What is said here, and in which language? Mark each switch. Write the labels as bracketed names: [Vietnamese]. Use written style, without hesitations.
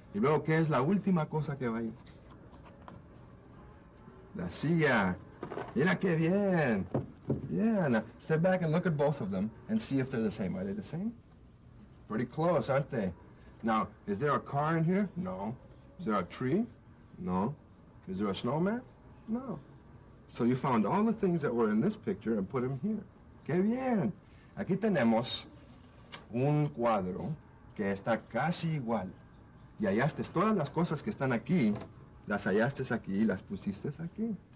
[Spanish] ¿Y luego qué es la última cosa que va ahí? La silla. Mira qué bien. [English] Yeah, now step back and look at both of them and see if they're the same. Are they the same? Pretty close, aren't they? Now, is there a car in here? No. Is there a tree? No. Is there a snowman? No. So you found all the things that were in this picture and put them here. [Spanish] ¡Qué bien! Aquí tenemos un cuadro que está casi igual. Y hallaste todas las cosas que están aquí, las hallaste aquí y las pusiste aquí.